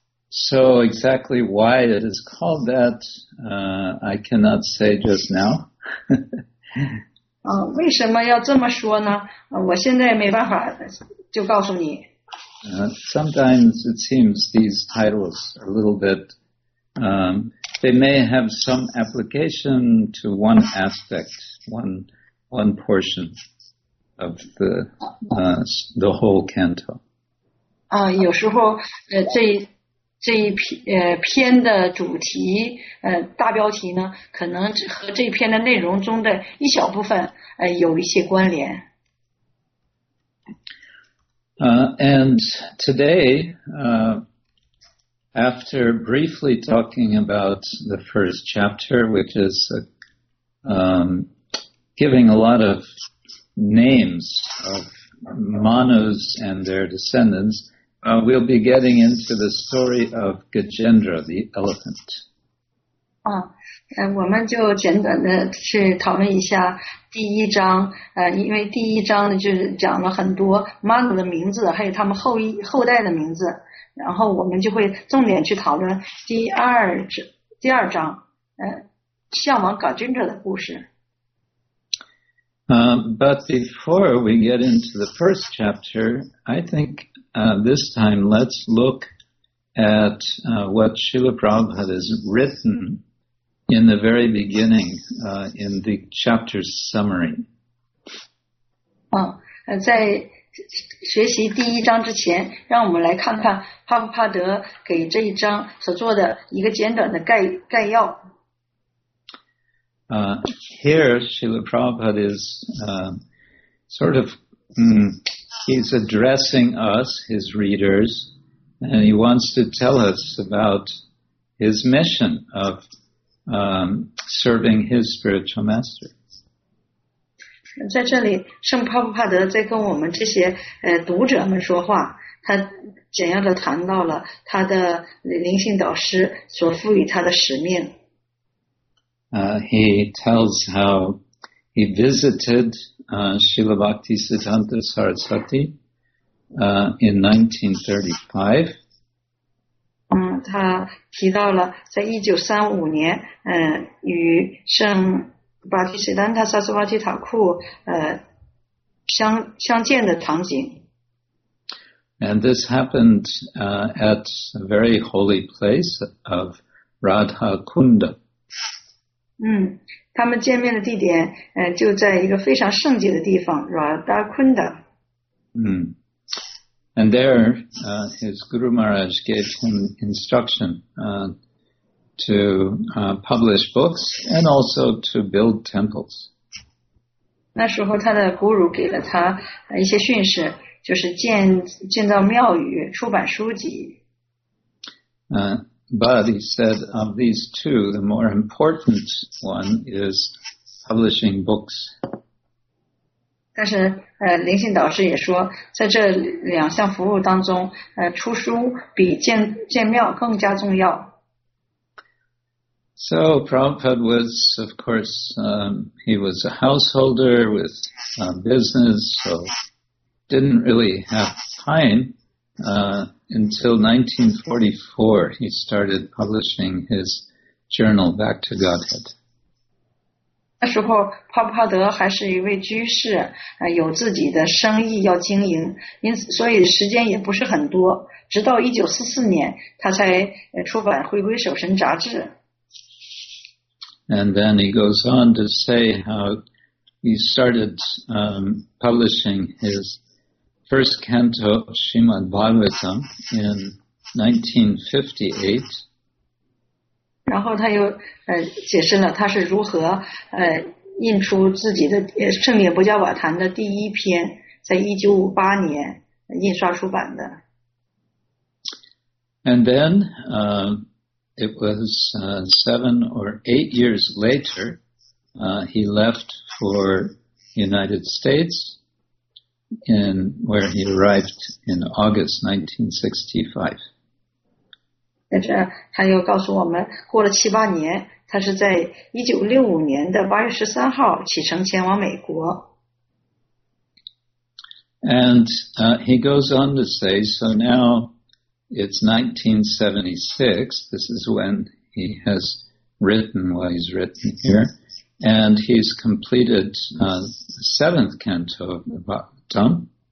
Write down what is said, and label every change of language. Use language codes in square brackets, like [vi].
[en] So exactly why it is called that I cannot say just now. [zh] 为什么要这么说呢？我现在没办法就告诉你。 [en] Sometimes it seems these titles a little bit, they may have some application to one aspect, one portion of the whole canto. [zh] 有时候这这一篇的主题大标题呢，可能和这篇的内容中的一小部分有一些关联。 [en] And today, after briefly talking about the first chapter, which is giving a lot of names of Manus and their descendants, we'll be getting into the story of Gajendra, the elephant. [zh] 我们就简短的去讨论一下第一章，因为第一章呢就是讲了很多 Manu 的名字，还有他们后代的名字，然后我们就会重点去讨论第二章，向往Gajendra的故事。 [en] But before we get into the first chapter, I think this time let's look at what Srila Prabhupada has written in the very beginning, in the chapter summary. [zh] 在学习第一章之前，让我们来看看帕夫帕德给这一章所做的一个简短的概要。 [en] Here, Srila Prabhupada is sort of, he's addressing us, his readers, and he wants to tell us about his mission of serving his spiritual master. [zh] 在这里，圣帕夫帕德在跟我们这些读者们说话，他简要的谈到了他的灵性导师所赋予他的使命。 [en] He tells how he visited Srila Bhakti Siddhanta Saraswati in 1935. [zh] 他提到了在1935年与圣巴提斯丹塔萨斯瓦提塔库相见的场景。 [en] And this happened at a very holy place of Radha Kunda. [zh] 他们见面的地点就在一个非常圣洁的地方 Radha Kunda。 [en] And there, his Guru Maharaj gave him instruction to publish books and also to build temples. [zh] 那时候他的 Guru 给了他一些训示，就是建造庙宇，出版书籍。 [en] But he said of these two, the more important one is publishing books. [zh] 但是灵性导师也说，在这两项服务当中，出书比建庙更加重要。 [en] So Prabhupada was, of course, he was a householder with business, so didn't really have time. Until 1944, he started publishing his journal, Back to Godhead. [zh] 那时候，帕帕德还是一位居士，有自己的生意要经营，所以时间也不是很多。直到1944年，他才出版《回归守神》杂志。 [en] And then he goes on to say how he started publishing his first canto of Srimad Bhagavatam in 1958. [zh] 然后他又解释了他是如何印出自己的圣严不加瓦坛的第一篇，在1958年印刷出版的。 [en] And then, it was seven or eight years later, he left for the United States, where he arrived in August 1965. [zh] 在这他又告诉我们，过了七八年，他是在1965年的8月13号启程前往美国。 [en] And he goes on to say, so now, it's 1976, this is when he has written what he's written here, and he's completed the seventh canto of the Bhagavatam.